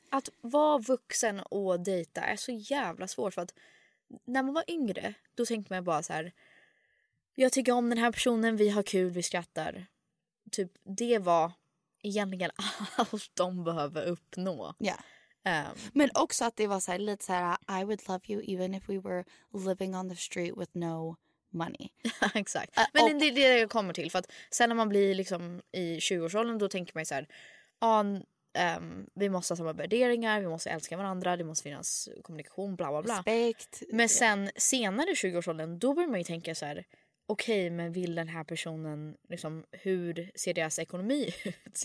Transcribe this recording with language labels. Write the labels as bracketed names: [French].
[Swedish] Att vara vuxen och dejta är så jävla svårt. För att när man var yngre, då tänkte man bara så här, jag tycker om den här personen, vi har kul, vi skrattar. Typ det var egentligen allt de behöver uppnå. [English] Yeah. [Swedish] Men också att det var så här, [English] lite så här, I would love you even if we were living on the street with no money. [Swedish] Exakt. Men det är det jag kommer till. För att sen när man blir liksom i 20-årsåldern, då tänker man så här, vi måste ha samma värderingar, vi måste älska varandra, det måste finnas kommunikation, bla bla bla. Respekt. Men sen senare i 20-årsåldern, då börjar man ju tänka så här, okej, men vill den här personen liksom, hur ser deras ekonomi ut?